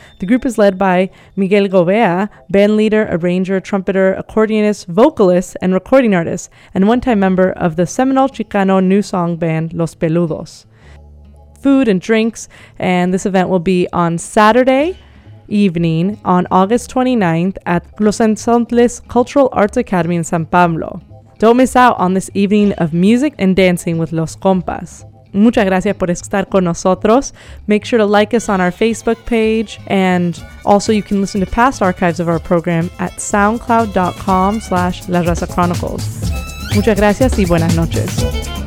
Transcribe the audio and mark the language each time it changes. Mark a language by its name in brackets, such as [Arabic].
[English] The group is led by Miguel Govea, band leader, arranger, trumpeter, accordionist, vocalist, and recording artist, and one-time member of the seminal Chicano new song band Los Peludos. Food and drinks, and this event will be on Saturday, evening on August 29th at Los Ensontles Cultural Arts Academy in San Pablo. Don't miss out on this evening of music and dancing with Los Compas. [Spanish] Muchas gracias por estar con nosotros. [English] Make sure to like us on our Facebook page, and also you can listen to past archives of our program at soundcloud.com/La Raza Chronicles. Muchas gracias y buenas noches.